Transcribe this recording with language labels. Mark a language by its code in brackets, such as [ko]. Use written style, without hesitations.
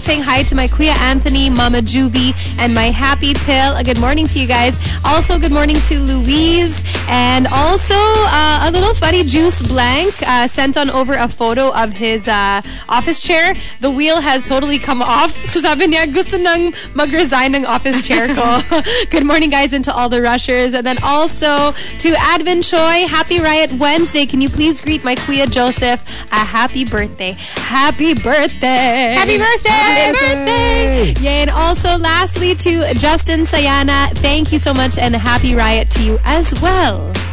[en] Saying hi to my Kuya Anthony, Mama Juvie, and my Happy Pill. A good morning to you guys. Also, good morning to Louise. And also, a little funny Juice Blank sent on over a photo of his office chair. The wheel has totally come off. [tl] So sabi niya, gusto nang mag-resign ng office chair ko. [en] Good morning, guys, and to all the rushers. And then also to Advin Choi, happy Riot Wednesday. Can you please greet my Kuya Joseph a happy birthday? Happy birthday! Happy birthday! Happy birthday! Yay, and also lastly to Justin Sayana, thank you so much and happy Riot to you as well.